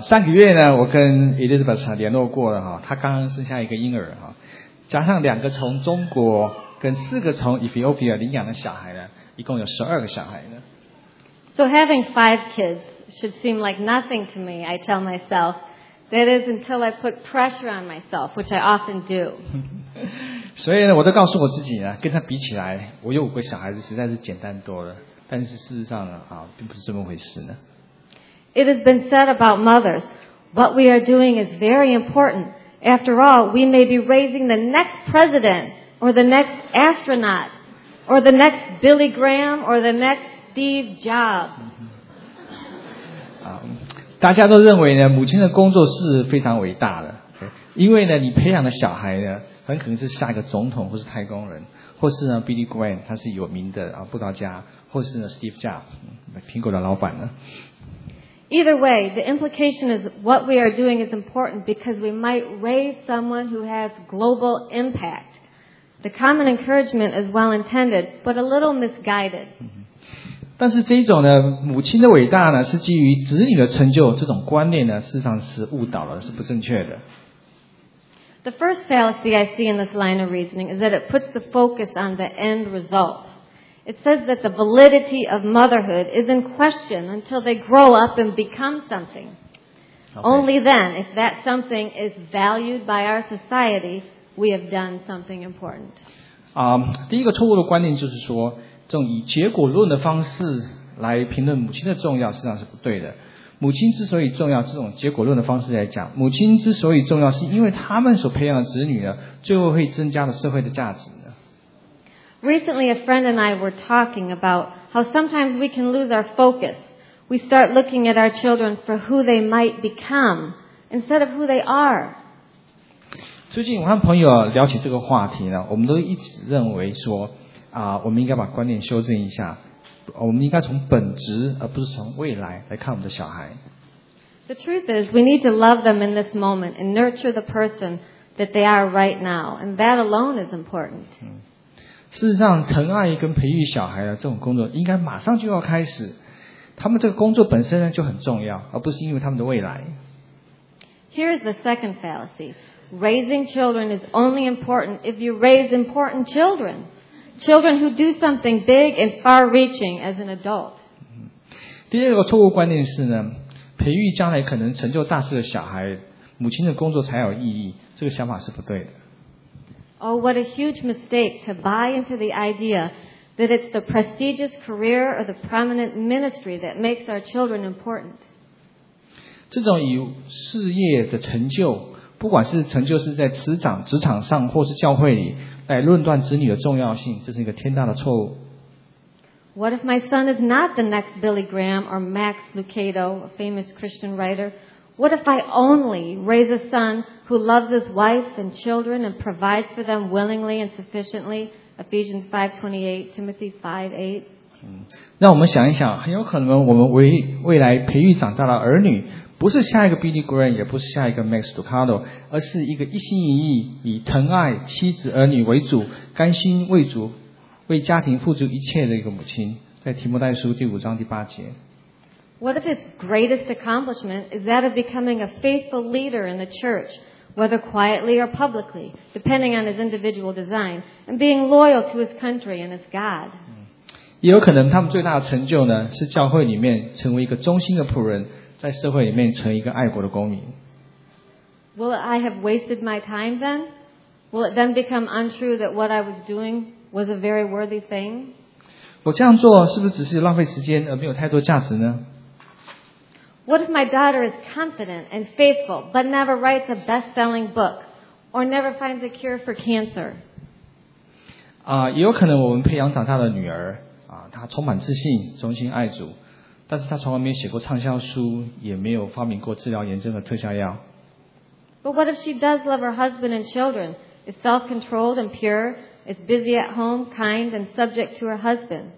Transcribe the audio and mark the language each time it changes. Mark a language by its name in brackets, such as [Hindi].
[Chinese] 上个月呢我跟 Elizabeth 联络过了，她刚刚生下一个婴儿，加上两个从中国跟四个从 Ethiopia 领养的小孩呢，一共有12个小孩呢。 [English] So having 5 kids should seem like nothing to me, I tell myself. That is until I put pressure on myself, which I often do. [Chinese] 所以呢，我都告诉我自己呢，跟他比起来，我有五个小孩子实在是简单多了。但是事实上呢，并不是这么回事呢。 [English] It has been said about mothers, what we are doing is very important. After all, we may be raising the next president, or the next astronaut, or the next Billy Graham, or the next Steve Jobs. [Chinese] 大家都认为呢，母亲的工作是非常伟大的，因为呢，你培养的小孩呢，很可能是下一个总统，或是太空人，或是呢 ，Billy Graham 他是有名的布道家，或是呢 ，Steve Jobs 苹果的老板呢。 [English] Either way, the implication is what we are doing is important because we might raise someone who has global impact. The common encouragement is well intended, but a little misguided. [Chinese] 但是这种呢，母亲的伟大呢，是基于子女的成就，这种观念呢，事实上是误导了，是不正确的。 [English] The first fallacy I see in this line of reasoning is that it puts the focus on the end result. It says that the validity of motherhood is in question until they grow up and become something. Only then, if that something is valued by our society, we have done something important. [Chinese] 第一个错误的观念就是说，这种以结果论的方式来评论母亲的重要，实际上是不对的。母亲之所以重要，这种结果论的方式来讲，母亲之所以重要，是因为他们所培养的子女呢，最后会增加了社会的价值呢。 [English] Recently, a friend and I were talking about how sometimes we can lose our focus. We start looking at our children for who they might become instead of who they are. [Chinese] 最近我和朋友聊起这个话题呢，我们都一直认为说，我们应该把观念修正一下。我们应该从本质而不是从未来来看我们的小孩。 [English] The truth is, we need to love them in this moment and nurture the person that they are right now, and that alone is important. [Chinese] 事实上，疼爱跟培育小孩的这种工作应该马上就要开始。他们这个工作本身呢就很重要，而不是因为他们的未来。 [English] Here is the second fallacy. Raising children is only important if you raise important children. Children who do something big and far-reaching as an adult. [Chinese] 第二个错误观念是呢，培育将来可能成就大事的小孩，母亲的工作才有意义。这个想法是不对的。 [English] Oh, what a huge mistake to buy into the idea that it's the prestigious career or the prominent ministry that makes our children important. [Chinese] 这种以事业的成就，不管是成就是在职场上或是教会里。来论断子女的重要性，这是一个天大的错误。 [English] What if my son is not the next Billy Graham or Max Lucado, a famous Christian writer? What if I only raise a son who loves his wife and children and provides for them willingly and sufficiently? Ephesians 5:28, Timothy 5:8. [Chinese] 让我们想一想，很有可能我们未来培育长大的儿女。不是下一个 Billy Graham， 也不是下一个 Max Lucado， 而是一个一心一意以疼爱妻子儿女为主，甘心为主，为家庭付出一切的一个母亲，在提摩太书第五章第八节。 [English] What if his greatest accomplishment is that of becoming a faithful leader in the church, whether quietly or publicly, depending on his individual design, and being loyal to his country and his God？ [Chinese] 也有可能他们最大的成就呢，是教会里面成为一个忠心的仆人。在社会里面成一个爱国的公民。 [English] Will I have wasted my time then? Will it then become untrue that what I was doing was a very worthy thing? [Chinese] 我这样做是不是只是浪费时间而没有太多价值呢？ [English] What if my daughter is confident and faithful but never writes a best-selling book or never finds a cure for cancer? [Chinese] 也有可能我们培养长大的女儿她充满自信，忠心爱主。但是他从来没有写过畅销书，也没有发明过治疗炎症的特效药。 [English] But what if she does love her husband and children? Is self-controlled and pure? Is busy at home, kind and subject to her husband?